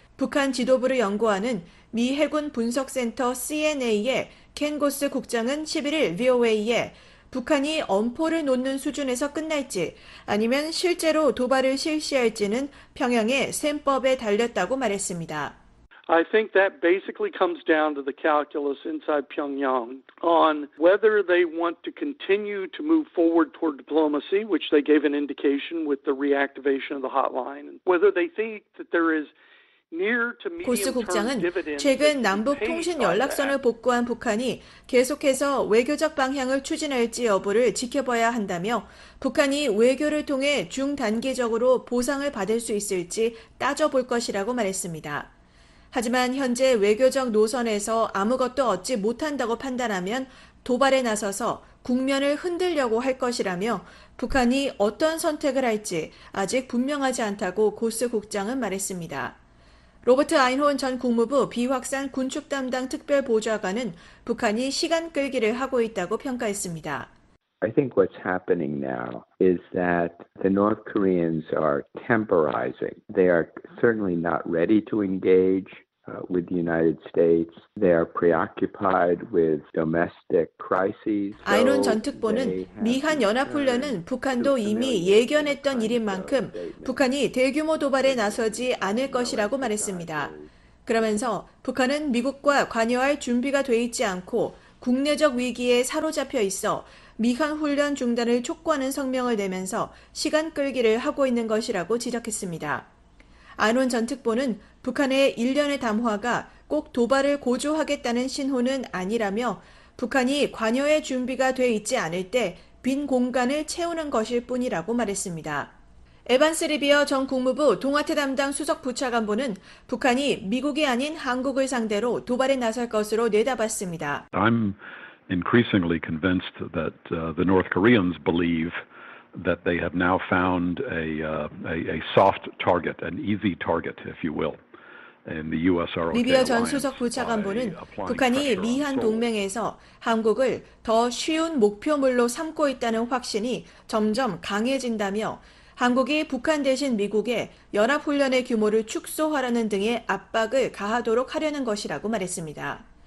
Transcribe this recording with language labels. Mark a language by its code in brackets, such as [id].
[ko] 북한 지도부를 연구하는 미 해군 분석센터 CNA의 켄 고스 국장은 11일 VOA에 북한이 엄포를 놓는 수준에서 끝날지 아니면 실제로 도발을 실시할지는 평양의 셈법에 달렸다고 말했습니다. [en] I think that basically comes down to the calculus inside Pyongyang on whether they want to continue to move forward toward diplomacy, which they gave an indication with the reactivation of the hotline, whether they think that there is [ko] 고스 국장은 최근 남북통신연락선을 복구한 북한이 계속해서 외교적 방향을 추진할지 여부를 지켜봐야 한다며 북한이 외교를 통해 중단기적으로 보상을 받을 수 있을지 따져볼 것이라고 말했습니다. 하지만 현재 외교적 노선에서 아무것도 얻지 못한다고 판단하면 도발에 나서서 국면을 흔들려고 할 것이라며 북한이 어떤 선택을 할지 아직 분명하지 않다고 고스 국장은 말했습니다. 로버트 아인혼 전 국무부 비확산 군축 담당 특별 보좌관은 북한이 시간 끌기를 하고 있다고 평가했습니다. [en] I think what's happening now is that the North Koreans are temporizing. They are certainly not ready to engage with the United States. They are preoccupied with domestic crises. [ko] 아인혼 전 특보는 미한 연합훈련은 북한도 이미 예견했던 일인 만큼 북한이 대규모 도발에 나서지 않을 것이라고 말했습니다. 그러면서 북한은 미국과 관여할 준비가 돼 있지 않고 국내적 위기에 사로잡혀 있어 미한 훈련 중단을 촉구하는 성명을 내면서 시간 끌기를 하고 있는 것이라고 지적했습니다. 아인혼 전 특보는 북한의 일련의 담화가 꼭 도발을 고조하겠다는 신호는 아니라며 북한이 관여의 준비가 돼 있지 않을 때 빈 공간을 채우는 것일 뿐이라고 말했습니다. 에반스 리비어 전 국무부 동아태 담당 수석부차관보는 북한이 미국이 아닌 한국을 상대로 도발에 나설 것으로 내다봤습니다. [en] I'm increasingly convinced that the North Koreans believe that they have now found a soft target, an easy target, if you will, in the USROK. [ko] 리비아 전 수석 부차관보는 북한이 미한 동맹에서 한국을 더 쉬운 목표물로 삼고 있다는 확신이 점점 강해진다며 한국이 북한 대신 미국에 연합훈련의 규모를 축소하라는 등의 압박을 가하도록 하려는 것이라고 말했습니다.